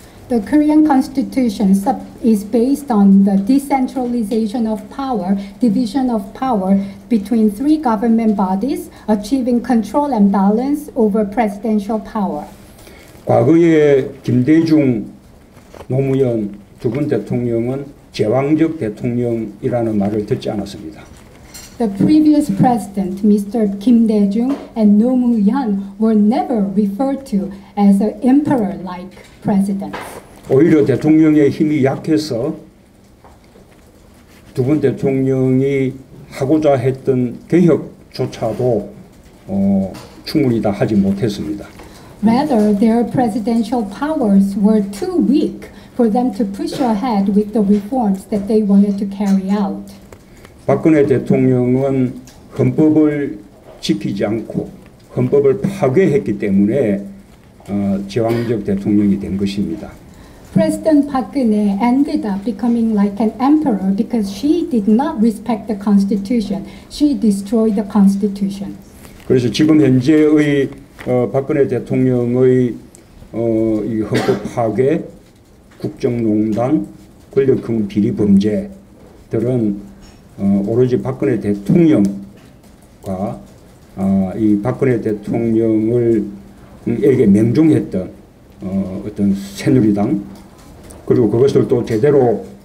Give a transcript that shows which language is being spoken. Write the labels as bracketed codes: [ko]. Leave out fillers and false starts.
[en] The Korean Constitution is based on the decentralization of power, division of power between three government bodies, achieving control and balance over presidential power. [ko] 과거에 김대중, 노무현 두 분 대통령은 제왕적 대통령이라는 말을 듣지 않았습니다. [en] The previous president, Mr. Kim Dae-jung and 노무현 were never referred to as an emperor-like president. [ko] 오히려 대통령의 힘이 약해서 두 분 대통령이 하고자 했던 개혁조차도 충분히 다 하지 못했습니다. [en] Rather, their presidential powers were too weak for them to push ahead with the reforms that they wanted to carry out. [ko] 박근혜 대통령은 헌법을 지키지 않고 헌법을 파괴했기 때문에 제왕적 대통령이 된 것입니다. [en] President Park Geun-hye ended up becoming like an emperor because she did not respect the constitution. She destroyed the constitution. [ko] 그래서 지금 현재의 박근혜 대통령의 이 헌법 파괴, 국정농단, 권력형 비리 범죄들은 오로지 박근혜 대통령과 이 박근혜 대통령에게 맹종했던 어떤 새누리당 그리고 그것을 또 제대로